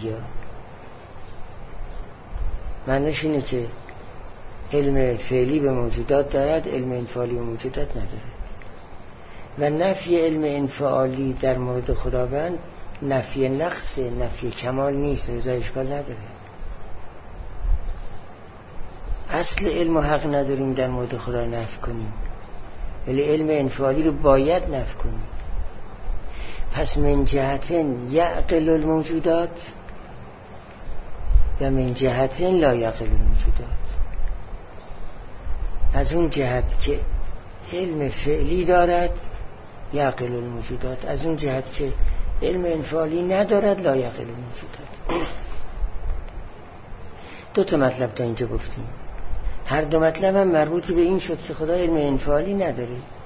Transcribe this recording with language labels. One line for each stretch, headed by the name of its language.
Persian: یا معنیش اینه که علم فعلی به موجودات دارد، علم انفعالی به موجودات نداره. و نفی علم انفعالی در مورد خداوند نفی نقص نفی کمال نیست، رضا اشکال نداره. اصل علم و حق نداریم در مورد خدا نفی کنیم، ولی علم انفعالی رو باید نفی کنیم.
Arabic: پس من جهتن یعقل الموجودات و من جهتن لا یعقل الموجودات.
Persian: از اون جهت که علم فعلی دارد
Arabic: یعقل الموجودات،
Persian: از اون جهت که علم انفعالی ندارد
Arabic: لا یعقل الموجودات.
Persian: دو تا مطلب تا اینجا گفتیم، هر دو مطلب هم مربوطی به این شد که خدا علم انفعالی نداره.